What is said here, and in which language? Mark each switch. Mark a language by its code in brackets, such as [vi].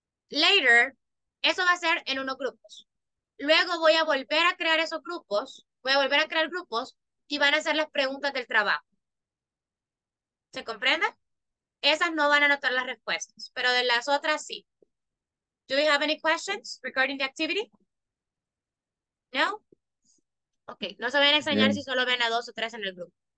[es] Later, eso va a ser en unos grupos. Luego voy a volver a crear esos grupos, voy a volver a crear grupos y van a hacer las preguntas del trabajo. ¿Se comprende? Esas no van a anotar las respuestas, pero de las otras sí. [en] Do we have any questions regarding the activity? No? [es] Ok, no se van a extrañar si solo ven a 2 o 3 en el grupo.